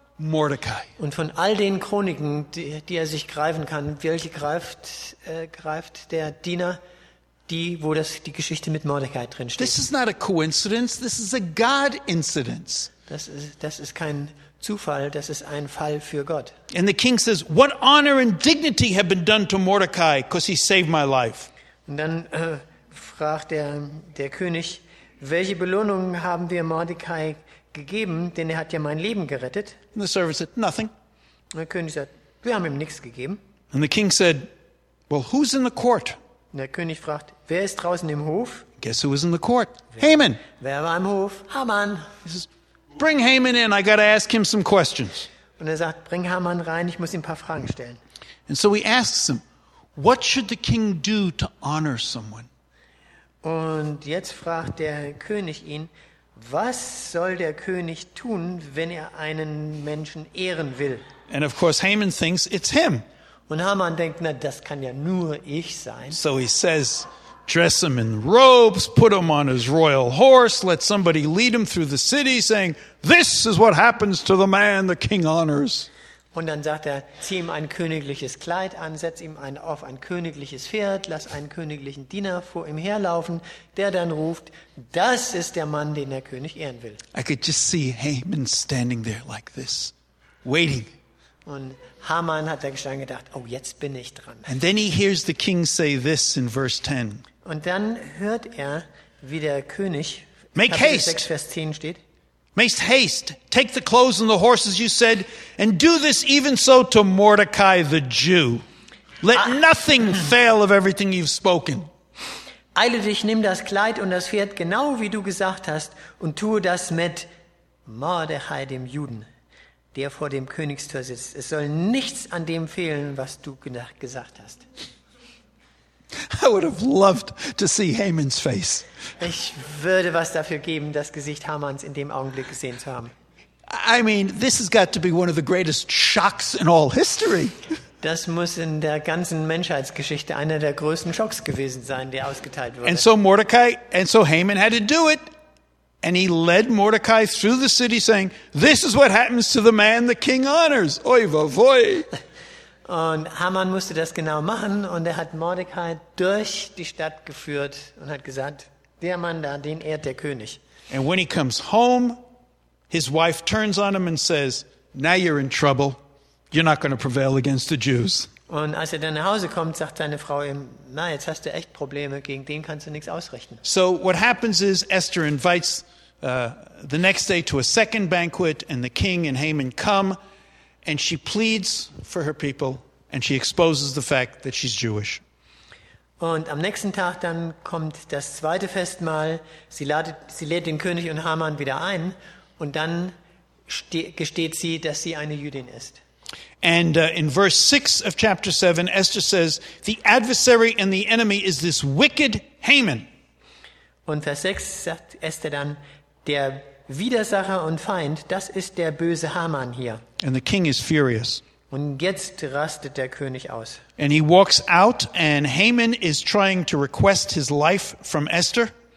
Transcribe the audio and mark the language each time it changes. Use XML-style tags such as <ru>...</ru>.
<en>Mordecai.</en> <de>Und von all den Chroniken, die er sich greifen kann, welche greift der Diener? Die, wo die Geschichte mit Mordecai drinsteht.</de> <en>This is not a coincidence, this is a God incidence.</en> <de>Das ist kein Zufall, das ist ein Fall für Gott.</de> <en>And the king says, what honor and dignity have been done to Mordecai, because he saved my life.</en> <de>Und dann fragt der König, welche Belohnungen haben wir Mordecai gegeben, denn er hat ja mein Leben gerettet.</de> <en>And the servant said, nothing.</en> <de>Und der König sagt, wir haben ihm nichts gegeben.</de> <en>And the king said, "Well, who's in the court?"</en> <de>Und der König fragt, wer ist draußen im Hof?</de> <en>Guess who was in the court? Haman.</en> <de>Wer war im Hof? Haman.</de> <en>He says, "Bring Haman in. I got to ask him some questions."</en> <de>Und er sagt, bring Haman rein. Ich muss ihm ein paar Fragen stellen.</de> <en>And so he asks him, "What should the king do to honor someone?"</en> <de>Und jetzt fragt der König ihn, was soll der König tun, wenn er einen Menschen ehren will?</de> <en>And of course, Haman thinks it's him.</en> <de>Und Haman denkt, na, das kann ja nur ich sein.</de> <en>So he says, "Dress him in robes, put him on his royal horse, let somebody lead him through the city, saying, 'This is what happens to the man the king honors.'"</en> <de>Und dann sagt er, zieh ihm ein königliches Kleid an, setz ihm auf ein königliches Pferd, lass einen königlichen Diener vor ihm herlaufen, der dann ruft, das ist der Mann, den der König ehren will.</de> <en>I could just see Haman standing there like this, waiting.</en> <de>Und Haman hat dann gedacht, oh, jetzt bin ich dran.</de> <en>And then he hears the king say this in verse 10.</en> <de>Und dann hört er, wie der König,</de> <en>make haste.</en> <de>6, Vers 10 steht,</de> <en>"Make haste, take the clothes and the horses you said, and do this even so to Mordecai the Jew. Let nothing fail of everything you've spoken."</en> <de>Eile dich, nimm das Kleid und das Pferd, genau wie du gesagt hast, und tue das mit Mordecai dem Juden, der vor dem Königstor sitzt. Es soll nichts an dem fehlen, was du gesagt hast.</de> <en>I would have loved to see Haman's face.</en> <de>Ich würde was dafür geben, das Gesicht Hamans in dem Augenblick gesehen zu haben.</de> <en>I mean, this has got to be one of the greatest shocks in all history.</en> <de>Das muss in der ganzen Menschheitsgeschichte einer der größten Schocks gewesen sein, der ausgeteilt wurde.</de> <en>And so Mordecai, and so Haman had to do it, and he led Mordecai through the city, saying, "This is what happens to the man the king honors." Oy vavoy.</en> <de>Und Haman musste das genau machen und er hat Mordecai durch die Stadt geführt und hat gesagt, der Mann da, den ehrt der König.</de> <en>And when he comes home, his wife turns on him and says, "Now you're in trouble. You're not going to prevail against the Jews."</en> <de>Und als er dann nach Hause kommt, sagt seine Frau ihm, "Na, jetzt hast du echt Probleme, gegen den kannst du nichts ausrichten."</de> <en>So what happens is Esther invites the next day to a second banquet and the king and Haman come. And she pleads for her people, and she exposes the fact that she's Jewish.</en> <de>Und am nächsten Tag dann kommt das zweite Festmahl. Sie lädt den König und Haman wieder ein, und dann gesteht sie, dass sie eine Jüdin ist.</de> <en>And in verse 6 of chapter 7, Esther says, "The adversary and the enemy is this wicked Haman."</en> <de>Und Vers 6 sagt Esther dann, der Widersacher und Feind, das ist der böse Haman hier.</de> <en>And the king is furious.</en> <de>Und jetzt rastet der König aus.</de> <en>And he walks out and Haman is trying to request his life from Esther.</en>